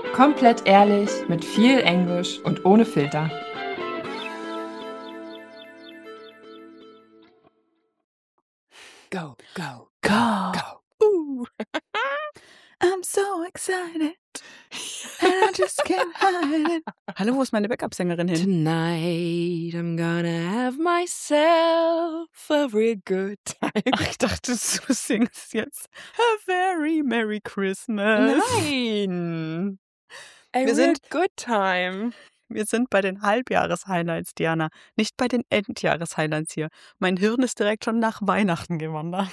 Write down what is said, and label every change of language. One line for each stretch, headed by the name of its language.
German: Komplett ehrlich, mit viel Englisch und ohne Filter.
English: Go, go, go. Go. Ooh. I'm so excited. And I just can't hide it.
German: Hallo, wo ist meine Backup-Sängerin hin?
English: Tonight I'm gonna have myself a real good time.
German: Ach, ich dachte, du singst jetzt
English: a very merry Christmas.
German: Nein. A wir real sind, good time. Wir sind bei den Halbjahres-Highlights, Diana. Nicht bei den Endjahres-Highlights hier. Mein Hirn ist direkt schon nach Weihnachten gewandert.